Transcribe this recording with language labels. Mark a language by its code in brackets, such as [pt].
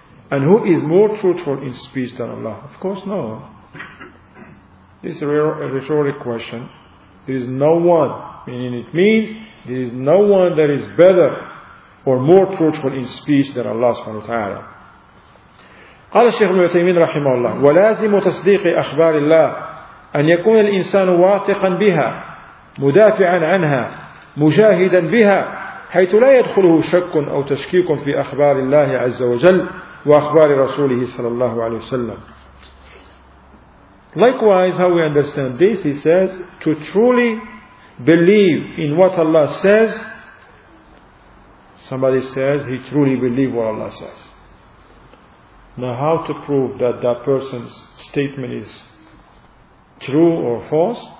[en] And who is more truthful in speech than Allah? Of course, no. This is a rhetoric question. There is no one. Meaning it means there is no one that is better or more truthful in speech than Allah subhanahu wa ta'ala. [ar] قال الشيخ ابن عثيمين رحمه الله ولازم تصديق أخبار الله أن يكون الإنسان واثقا بها مدافعا عنها مجاهدا بها حيث لا يدخله شك أو تشكيك في أخبار الله عز وجل وأخبار رسوله صلى الله عليه وسلم. [en] Likewise, how we understand this, he says, to truly believe in what Allah says. Somebody says he truly believes what Allah says. Now, how to prove that that person's statement is true or false?